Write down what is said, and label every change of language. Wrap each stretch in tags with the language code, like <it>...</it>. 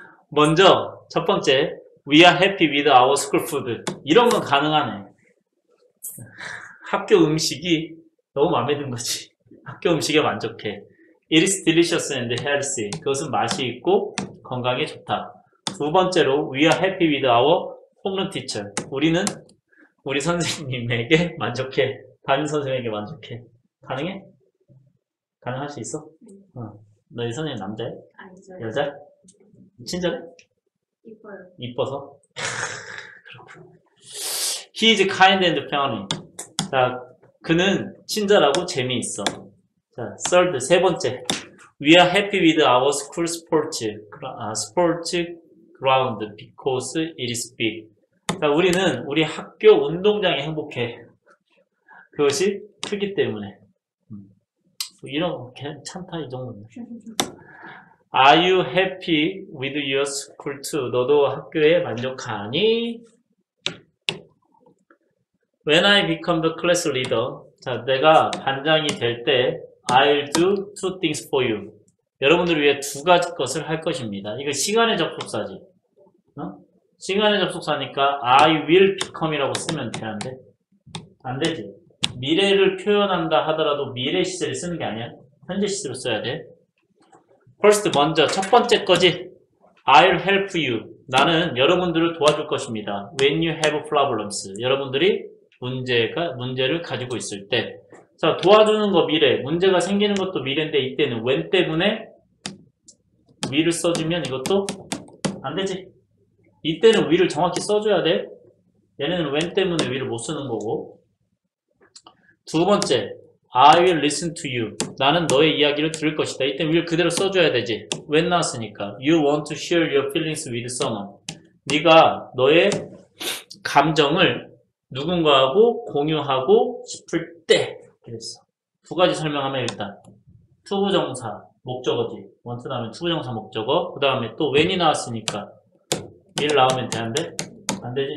<ko>먼저, 첫 번째.</ko> <en>We are happy with our school food.</en> <ko>이런 건 가능하네. 학교 음식이 너무 마음에 드는 거지. 학교 음식에 만족해.</ko> <en>It is delicious and healthy.</en> <ko>그것은 맛이 있고 건강에 좋다. 두 번째로,</ko> <en>we are happy with our homeroom teacher.</en> <ko>우리는 우리 선생님에게 만족해. 담임 선생님에게 만족해. 가능해? 가능할 수 있어? 어. 너희 선생님 남자야? 아니죠. 여자? 친절해? 이뻐요. 이뻐서? 그렇구나.</ko> <en>He is kind and friendly.</en> <ko>자, 그는 친절하고 재미있어. 자, third, 세 번째.</ko> <en>We are happy with our school sports ground because it is big.</en> <ko>자, 우리는 우리 학교 운동장에 행복해. 그것이 크기 때문에. 뭐 이런 거 괜찮다, 이 정도는.</ko> <en>Are you happy with your school too?</en> <ko>너도 학교에 만족하니?</ko> <en>When I become the class leader,</en> <ko>자, 내가 반장이 될 때,</ko> <en>I'll do two things for you.</en> <ko>여러분들을 위해 두 가지 것을 할 것입니다. 이거 시간의 접속사지. 어? 시간의 접속사니까</ko> <en>I will become</en> <ko>이라고 쓰면 되는데 안 되지. 미래를 표현한다 하더라도 미래 시제를 쓰는 게 아니야. 현재 시제로 써야 돼. First, 먼저 첫 번째 거지.</ko> <en>I'll help you.</en> <ko>나는 여러분들을 도와줄 것입니다.</ko> <en>When you have problems.</en> <ko>여러분들이 문제를 가지고 있을 때. 자, 도와주는 거 미래. 문제가 생기는 것도 미래인데 이때는 when 때문에 will을 써주면 이것도 안 되지. 이때는 will을 정확히 써줘야 돼. 얘네는 when 때문에 will을 못 쓰는 거고. 두 번째,</ko> <en>I will listen to you.</en> <ko>나는 너의 이야기를 들을 것이다. 이때 will 그대로 써줘야 되지. when 나왔으니까.</ko> <en>You want to share your feelings with someone.</en> <ko>네가 너의 감정을 누군가하고 공유하고 싶을 때. 그랬어. 두 가지 설명하면 일단 to 정사 목적어지. want 나오면 to 정사 목적어. 그 다음에 또 when이 나왔으니까 will 나오면 되는데 안 되지.</ko>